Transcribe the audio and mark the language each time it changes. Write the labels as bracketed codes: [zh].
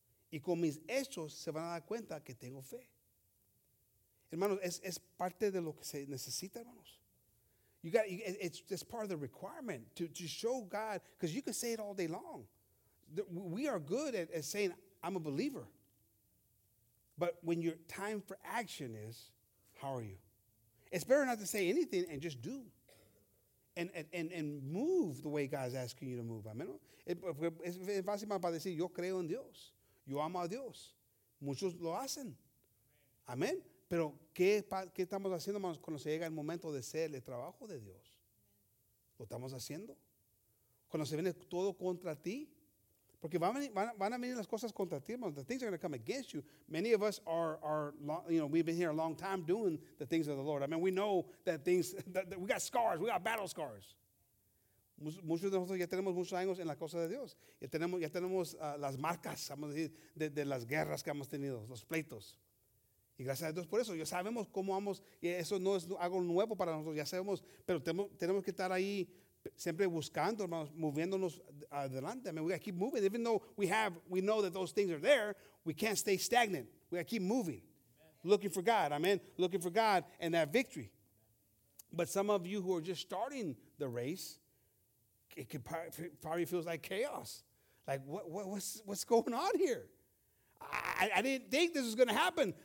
[es] Y con mis hechos se van a dar cuenta que tengo fe. Hermanos, es parte de lo que se necesita, hermanos. [en] It's part of the requirement to show God, because you can say it all day long. We are good at saying, I'm a believer. But when your time for action is, how are you? It's better not to say anything and just do. And move the way God's asking you to move. Amen. [es] Es fácil para decir, yo creo en Dios. Yo amo a Dios. Muchos lo hacen. Amen. Pero, ¿qué estamos haciendo, hermanos, cuando se llega el momento de hacer el trabajo de Dios? ¿Lo estamos haciendo? Cuando se viene todo contra ti. Porque van a venir las cosas contra ti, hermanos. [en] The things are going to come against you. Many of us are you know, we've been here a long time doing the things of the Lord. I mean, we know that things, that we got scars. We got battle scars. [es] Muchos de nosotros ya tenemos muchos años en la cosa de Dios. Ya tenemos las marcas, vamos a decir, de las guerras que hemos tenido, los pleitos. Y gracias a Dios por eso. Ya sabemos cómo vamos. Y eso no es algo nuevo para nosotros. Ya sabemos. Pero tenemos que estar ahí siempre buscando, hermanos, moviéndonos adelante. [en] I mean, we got to keep moving. Even though we know that those things are there, we can't stay stagnant. We got to keep moving. Amen. Looking for God. Amen. Looking for God and that victory. But some of you who are just starting the race, it can probably feels like chaos. Like, what's going on here? I didn't think this was going to happen.